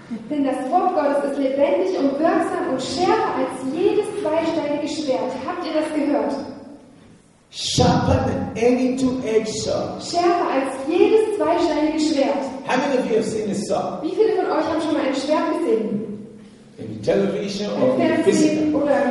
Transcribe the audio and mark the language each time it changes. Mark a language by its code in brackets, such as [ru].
[de] Denn das Wort Gottes ist lebendig und wirksam und schärfer als jedes zweischneidige Schwert. Habt ihr das gehört? [en] Sharper than any two-edged sword. [de] Schärfer als jedes zweischneidige Schwert. [en] How many of you have seen a sword? [de] Wie viele von euch haben schon mal ein Schwert gesehen? [en] In the television or in the physical.